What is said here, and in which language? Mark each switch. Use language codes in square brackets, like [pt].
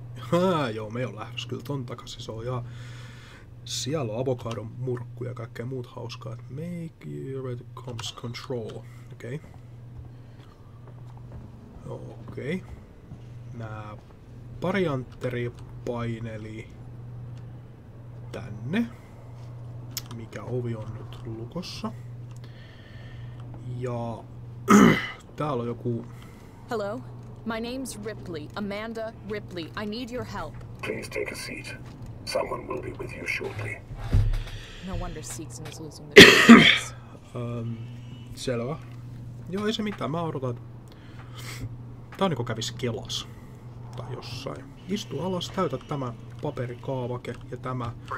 [fi] Okay. Joo, me ei ole lähdössä kyllä ton takaisin. Se on ihan... Siellä on avokadon murkku ja kaikkea muut hauskaa. Make your it comes control. Okei. Okay. Okei. Okay. Nää parianteri paineli tänne. Mikä ovi on nyt lukossa. Ja täällä on joku... [en] Hello, my name's Ripley, Amanda Ripley. I need your help. Please take a seat. Someone will be with you shortly. No wonder Seekson is losing their minds. [fi] Selvä. Joo, ei se mitään. Mä odotan, että... Tää on niin kuin kävis kelas. Tai jossain. Istu alas, täytä tämä paperikaavake ja tämä...